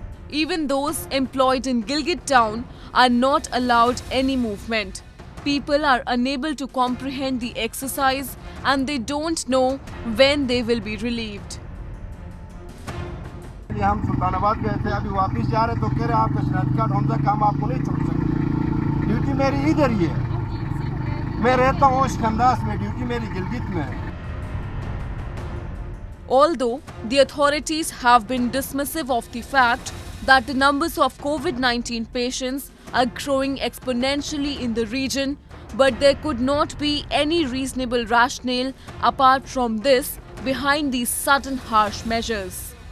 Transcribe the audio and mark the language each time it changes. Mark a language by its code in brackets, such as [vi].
[en] Even those employed in Gilgit town are not allowed any movement. People are unable to comprehend the exercise and they don't know when they will be relieved. [hi] हम सुल्तानाबाद गए थे, अभी वापस जा रहे, तो कह रहे आपके स्नैच कार्ड होंगे, काम आपको नहीं छोड़ सकते। ड्यूटी मेरी इधर ही है, मैं रहता हूँ इस्कंदास में, ड्यूटी मेरी गिलगित में। [en] Although the authorities have been dismissive of the fact that the numbers of COVID-19 patients are growing exponentially in the region, but there could not be any reasonable rationale apart from this behind these sudden harsh measures.